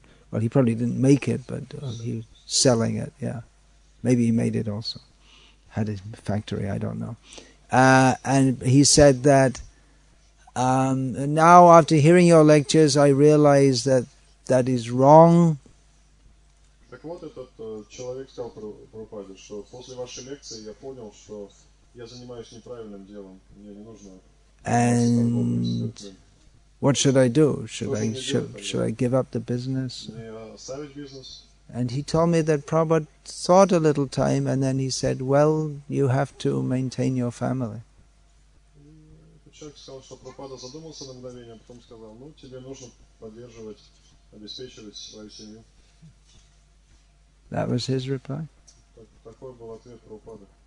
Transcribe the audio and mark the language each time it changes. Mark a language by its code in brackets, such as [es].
[en] Well, he probably didn't make it, but he was selling it. Yeah, maybe he made it also. Had a factory, I don't know. And he said that now, after hearing your lectures, I realize that is wrong. [ru] Вот этот человек сказал Прабхупаде, что после вашей лекции я понял, что я занимаюсь неправильным делом, мне не нужно. [en] And what should I do? Should I give up the business? [ru] Оставить бизнес? [en] And he told me that Prabhupada thought a little time, and then he said, "Well, you have to maintain your family." [ru] человек сказал, что Прабхупада задумался на мгновение, потом сказал, ну, тебе нужно поддерживать, обеспечивать свою семью. [en] That was his reply. [ru] Такой был ответ Прабхупады.